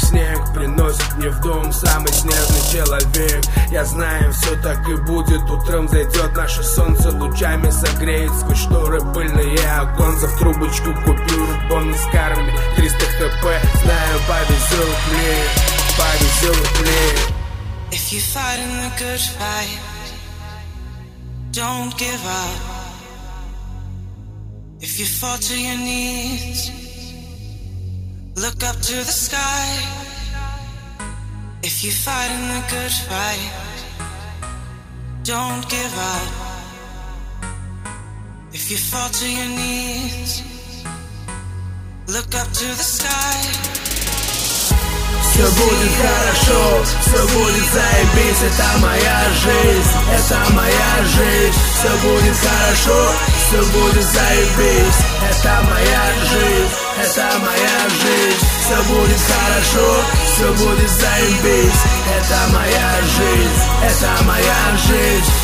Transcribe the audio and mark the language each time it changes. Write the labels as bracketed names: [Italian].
[Russian] Снег приносит мне в дом самый снежный человек. Я знаю, все так и будет, утром зайдет. Наше солнце лучами согреет сквозь шторы пыльные оконца. В трубочку купюру бонус карме 300 хп. Знаю, повезет мне, повезет мне. [English] If you're fighting the good fight, don't give up. If you fall to your knees, look up to the sky. If you're fighting the good fight, don't give up. If you fall to your knees, look up to the sky. [Russian] Все будет хорошо, все будет заебись, это моя жизнь, это моя жизнь. Все будет хорошо, все будет заебись, это моя жизнь, это моя жизнь. Все будет хорошо, все будет заебись, это моя жизнь, это моя жизнь.